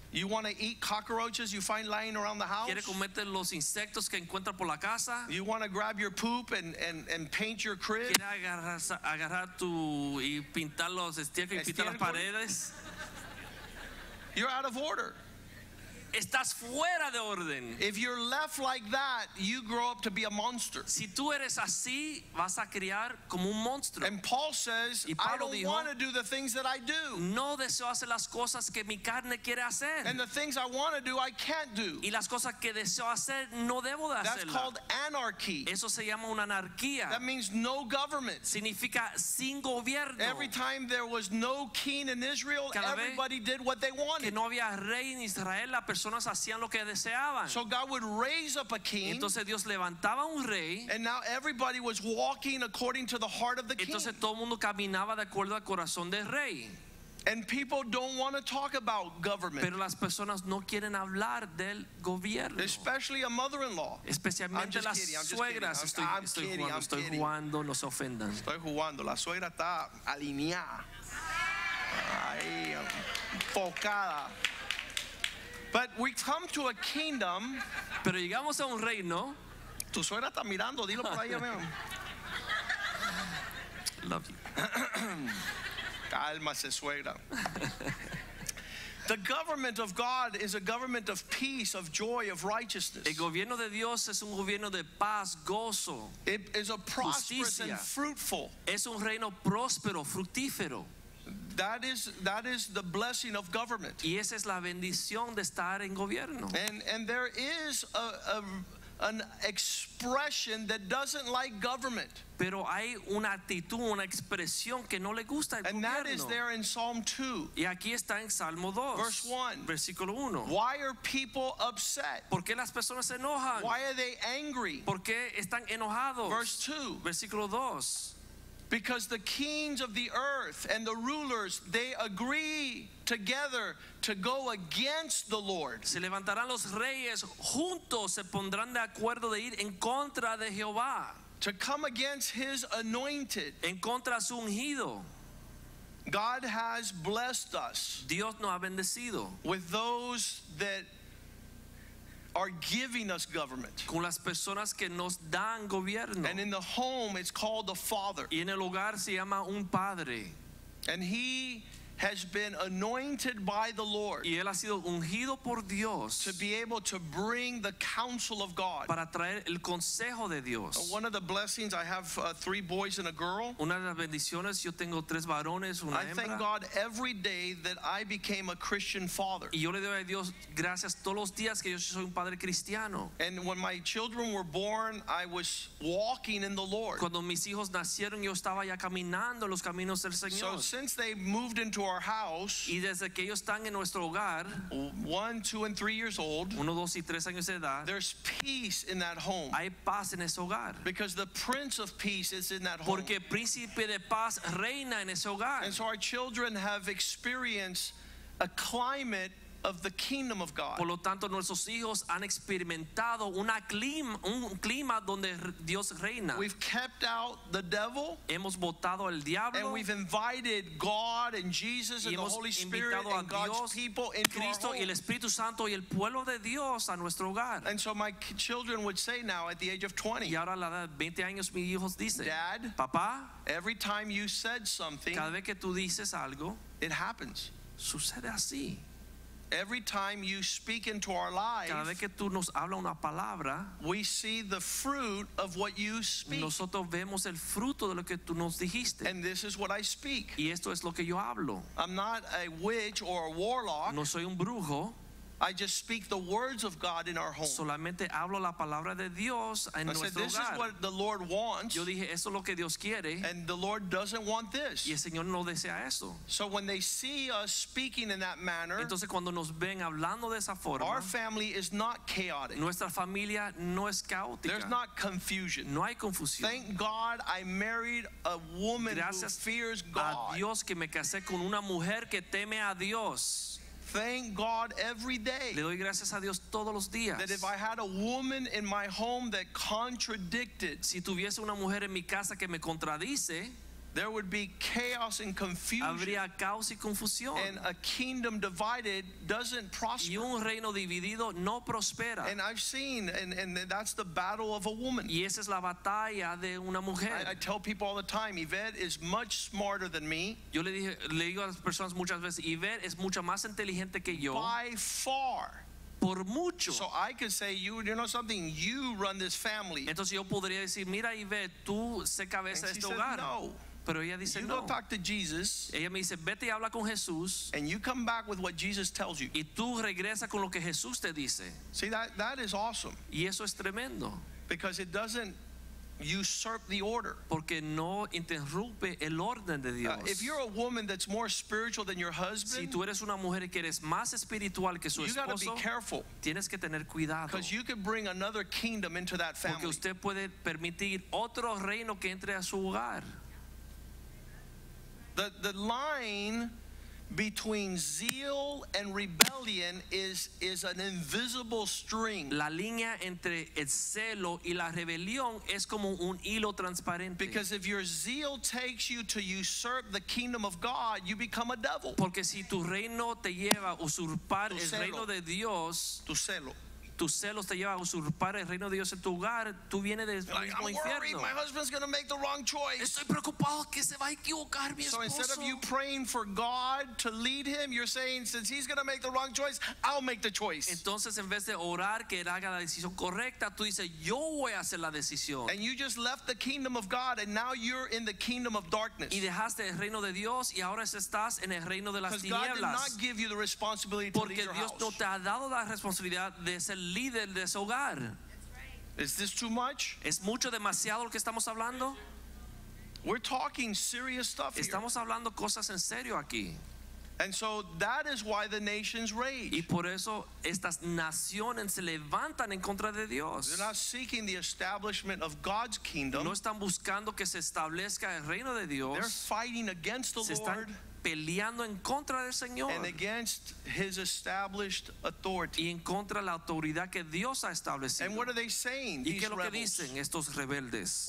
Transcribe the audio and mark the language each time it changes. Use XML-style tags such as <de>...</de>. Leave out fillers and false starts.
<en>You want to eat cockroaches you find lying around the house?</en> <es>¿Quieres comer los insectos que encuentras por la casa?</es> <en>You want to grab your poop and paint your crib?</en> <es>¿Quieres agarrar tu y pintar los estiércoles y pintar las paredes?</es> <en>You're out of order.</en> <es>Estás fuera de orden.</es> <en>If you're left like that, you grow up to be a monster.</en> <es>Si tú eres así, vas a criar como un monstruo.</es> <en>And Paul says, I don't want to do the things that I do.</en> <es>No deseo hacer las cosas que mi carne quiere hacer.</es> <en>And the things I want to do, I can't do.</en> <es>Y las cosas que deseo hacer, no debo de hacerlas.</es> <en>That's called anarchy.</en> <es>Eso se llama una anarquía.</es> <en>That means no government.</en> <es>Significa sin gobierno.</es> <en>Every time there was no king in Israel, everybody did what they wanted.</en> <es>Que no había rey en Israel, personas hacían lo que deseaban.</es> <en>So God would raise up a king.</en> <es>Entonces Dios levantaba un rey.</es> <en>And now everybody was walking according to the heart of the king.</en> <es>Entonces todo el mundo caminaba de acuerdo al corazón del rey.</es> <en>And people don't want to talk about government.</en> <es>Pero las personas no quieren hablar del gobierno.</es> <en>Especially a mother-in-law.</en> <es>Especialmente las suegras. Estoy jugando, no se ofendan. Estoy jugando, la suegra está alineada. Ahí, enfocada.</es> <en>But we come to a kingdom.</en> <es>Pero llegamos a un reino. Tu suegra está mirando, dilo por ahí, amigo.</es> <en>Love you.</en> <es>Cálmase, suegra.</es> <en>The government of God is a government of peace, of joy, of righteousness.</en> <es>El gobierno de Dios es un gobierno de paz, gozo.</es> <en>It is a prosperous</en> <es>justicia.</es> <en>And fruitful.</en> <es>Es un reino próspero, fructífero.</es> <en>That is the blessing of government.</en> <es>Y esa es la bendición de estar en gobierno.</es> <en>And there is an expression that doesn't like government.</en> <es>Pero hay una actitud, una expresión que no le gusta al gobierno.</es> <en>And that is there in Psalm 2.</en> <es>Y aquí está en Salmo 2.</es> <en>Verse 1.</en> <es>Versículo 1.</es> <en>Why are people upset?</en> <es>¿Por qué las personas se enojan?</es> <en>Why are they angry?</en> <es>¿Por qué están enojados?</es> <en>Verse 2.</en> <es>Versículo 2.</es> <en>Because the kings of the earth and the rulers, they agree together to go against the Lord.</en> <es>Se levantarán los reyes juntos, se pondrán de acuerdo de ir en contra de Jehová.</es> <en>To come against his anointed.</en> <es>En contra su ungido.</es> <en>God has blessed us.</en> <es>Dios nos ha bendecido.</es> <en>With those that are giving us government.</en> <es>Con las personas que nos dan gobierno.</es> <en>And in the home it's called the father.</en> <es>Y en el hogar se llama un padre.</es> <en>And he has been anointed by the Lord</en> <es>y él ha sido ungido por Dios</es> <en>to be able to bring the counsel of God.</en> <es>Para traer el consejo de Dios.</es> <en>One of the blessings, I have three boys and a girl.</en> <es>Una de las bendiciones, yo tengo tres varones, una hembra.</es> <en>I thank God every day that I became a Christian father.</en> <es>Y yo le doy a Dios gracias todos los días que yo soy un padre cristiano.</es> <en>And when my children were born, I was walking in the Lord.</en> <es>Cuando mis hijos nacieron, yo estaba ya caminando los caminos del Señor.</es> <en>So since they moved into our house,</en> <es>y desde que ellos están en nuestro hogar,</es> <en>1, 2, and 3 years old,</en> <es>uno, dos, y tres años de edad,</es> <en>there's peace in that home.</en> <es>Hay paz en ese hogar.</es> <en>Because the Prince of Peace is in that home.</en> <es>Porque el Príncipe de Paz reina en ese hogar.</es> <en>And so our children have experienced a climate of the kingdom of God.</en> <es>Por lo tanto, nuestros hijos han experimentado un clima donde Dios reina.</es> <en>We've kept out the devil.</en> <es>Hemos botado el diablo.</es> <en>And we've invited God and Jesus and the Holy Spirit and God's people into</en> <es>Cristo</es> <en>our home.</en> <es>Y el Espíritu Santo y el pueblo de Dios a nuestro hogar.</es> <en>And so my children would say now at the age of 20.</en> <es>Y ahora a la edad de 20 años mis hijos dicen,</es> <en>Dad,</en> <es>papá,</es> <en>every time you said something,</en> <es>cada vez que tú dices algo,</es> <en>it happens.</en> <es>Sucede así.</es> <en>Every time you speak into our lives,</en> <es>cada vez que tú nos habla una palabra,</es> <en>we see the fruit of what you speak.</en> <es>Nosotros vemos el fruto de lo que tú nos dijiste.</es> <en>And this is what I speak.</en> <es>Y esto es lo que yo hablo.</es> <en>I'm not a witch or a warlock.</en> <es>No soy un brujo.</es> <en>I just speak the words of God in our home.</en> <es>Solamente hablo la palabra de Dios en nuestro hogar.</es> <en>I said, this is what the Lord wants.</en> <es>Yo dije, eso es lo que Dios quiere.</es> <en>And the Lord doesn't want this.</en> <es>Y el Señor no desea eso.</es> <en>So when they see us speaking in that manner,</en> <es>entonces cuando nos ven hablando de esa forma,</es> <en>our family is not chaotic.</en> <es>Nuestra familia no es caótica.</es> <en>There's not confusion.</en> <es>No hay confusión.</es> <en>Thank God I married a woman who fears God.</en> <es>A Dios que me casé con una mujer que teme a Dios.</es> <en>Thank God every day.</en> <es>Le doy gracias a Dios todos los días.</es> <en>That if I had a woman in my home that contradicted,</en> <es>si tuviese una mujer en mi casa que me contradice,</es> <en>there would be chaos and confusion.</en> <es>Habría caos y confusión.</es> <en>And a kingdom divided doesn't prosper.</en> <es>Y un reino dividido no prospera.</es> <en>And I've seen, and that's the battle of a woman.</en> <es>Y esa es la batalla de una mujer.</es> <en>I tell people all the time, Yvette is much smarter than me.</en> <es>Yo le digo a las personas muchas veces, Yvette es mucho más inteligente que yo.</es> <en>By far.</en> <es>Por mucho.</es> <en>So I could say, you know something, you run this family.</en> <es>Entonces yo podría decir, mira, Yvette, tú sé cabeza de este hogar.</es> <en>No.</en> <es>Pero ella dice,</es> <en>you</en> <es>no.</es> <en>Go talk to Jesus.</en> <es>Ella me dice, vete y habla con Jesús.</es> <en>And you come back with what Jesus tells you.</en> <es>Y tú regresa con lo que Jesús te dice.</es> <en>See, that is awesome.</en> <es>Y eso es tremendo.</es> <en>Because it doesn't usurp the order.</en> <es>Porque no interrumpe el orden de Dios.</es> <en>If you're a woman that's more spiritual than your husband,</en> <es>si tú eres una mujer que eres más espiritual que su esposo,</es> <en>you gotta be careful.</en> <es>Tienes que tener cuidado.</es> <en>Because you can bring another kingdom into that family.</en> <es>Porque usted puede permitir otro reino que entre a su hogar.</es> <en>The line between zeal and rebellion is an invisible string.</en> <es>La línea entre el celo y la rebelión es como un hilo transparente.</es> <en>Because if your zeal takes you to usurp the kingdom of God, you become a devil.</en> <es>Porque si tu reino te lleva a usurpar el reino de Dios, tu celo te lleva a usurpar el reino de Dios en tu hogar, tú vienes del mismo infierno.</es> <en>I'm worried my husband's going to make the wrong choice.</en> <es>Estoy preocupado que se va a equivocar mi esposo.</es> <en>So instead of you praying for God to lead him, you're saying, since he's going to make the wrong choice, I'll make the choice.</en> <es>Entonces, en vez de orar que él haga la decisión correcta, tú dices, yo voy a hacer la decisión.</es> <en>And you just left the kingdom of God and now you're in the kingdom of darkness.</en> <es>Y dejaste el reino de Dios y ahora estás en el reino de las tinieblas.</es> <en>Because God did not give you the responsibility to lead your house.</en> <es>Porque Dios no te ha dado la responsabilidad de ser líder de su hogar.</es> <en>Is this too much?</en> <es>¿Es mucho demasiado lo que estamos hablando?</es> <en>We're talking serious stuff here.</en> <es>Estamos hablando cosas en serio aquí.</es> <en>And so that is why the nations rage.</en> <es>Y por eso estas naciones se levantan en contra de Dios.</es> <en>They're not seeking the establishment of God's kingdom.</en> <es>No están buscando que se establezca el reino de Dios.</es> <en>They're fighting against the Lord.</en> <es>Peleando en contra del Señor.</es> <en>And against his established authority.</en> <es>Y en contra la autoridad que Dios ha establecido.</es> <en>And what are they saying,</en> <es>¿y qué es lo que dicen estos rebeldes?</es>